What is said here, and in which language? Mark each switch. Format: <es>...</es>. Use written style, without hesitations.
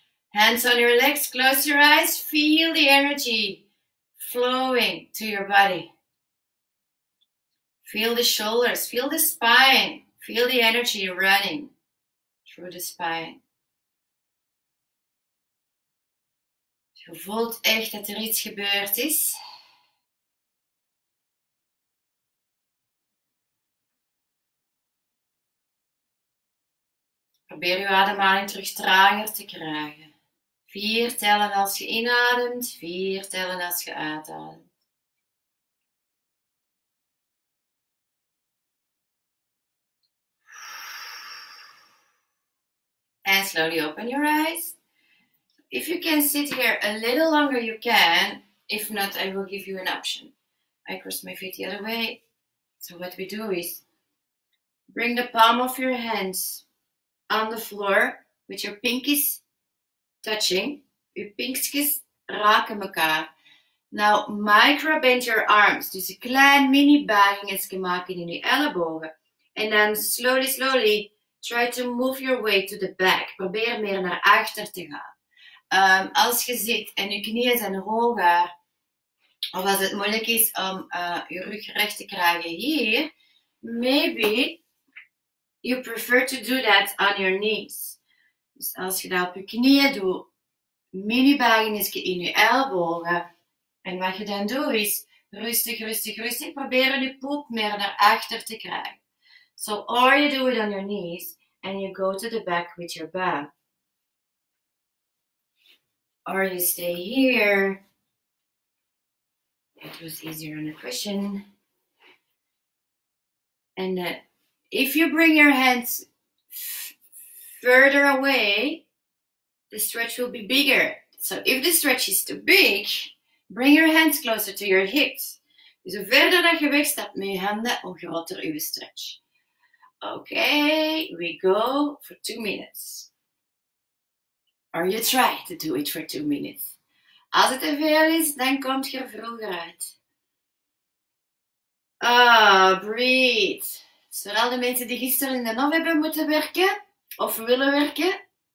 <en>Hands on your legs, close your eyes, feel the energy flowing to your body. Feel the shoulders, feel the spine, feel the energy running through the spine.</en> <nl>Je voelt echt dat er iets gebeurd is. Probeer uw ademhaling terug trager te krijgen. Vier tellen als je inademt, vier tellen als je uitademt.</nl> <en>And slowly open your eyes. If you can sit here a little longer, you can. If not, I will give you an option. I cross my feet the other way. So what we do is bring the palm of your hands on the floor with your pinkies touching,</en> <nl>je pinkjes raken elkaar.</nl> <en>Now micro bend your arms,</en> <nl>dus een klein mini buigingetje maken in je ellebogen.</nl> <en>And then slowly, slowly try to move your way to the back.</en> <nl>Probeer meer naar achter te gaan. Als je zit en je knieën zijn hoger, of als het moeilijk is om je rug recht te krijgen hier,</nl> <en>maybe you prefer to do that on your knees.</en> <nl>Dus als je dat op je knieën doet, mini buigingen in je ellebogen. En wat je dan doet is rustig, rustig, rustig proberen je poep meer naar achter te krijgen.</nl> <en>So, or you do it on your knees and you go to the back with your bum. Or you stay here. It was easier on the cushion. And if you bring your hands further away, the stretch will be bigger. So if the stretch is too big, bring your hands closer to your hips.</en> <nl>Dus hoe verder dat je weg staat met je handen, hoe groter je stretch.</nl> <en>Okay, we go for 2 minutes. Or you try to do it for 2 minutes.</en> <nl>Als het te veel is, dan komt je vroeger uit.</nl> <en>Breathe.</en> <nl>Vooral de mensen die gisteren in de nacht hebben moeten werken. Of willen werken.</nl>